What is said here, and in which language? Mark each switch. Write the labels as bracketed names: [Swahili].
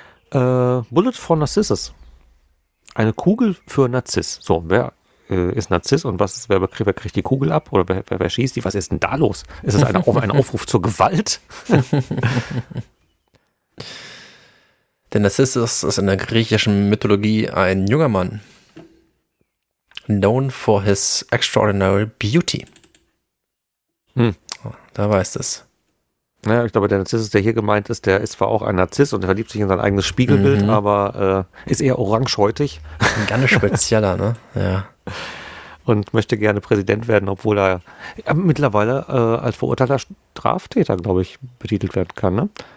[German] Bullet for Narcissus. Eine Kugel für Narziss. So, wer ist Narziss und was ist, wer kriegt die Kugel ab oder wer schießt die? Was ist denn da los? Ist das ein Aufruf zur Gewalt? Der Narziss ist in der griechischen Mythologie ein junger Mann. [English] Known for his extraordinary beauty. Hm. [German] Da weißt es. Naja, ich glaube, der Narziss, der hier gemeint ist, der ist zwar auch ein Narziss und verliebt sich in sein eigenes Spiegelbild, aber ist eher orangehäutig. Ein ganz spezieller, ne? Ja. Und möchte gerne Präsident werden, obwohl er mittlerweile als verurteilter Straftäter, glaube ich, betitelt werden kann, ne?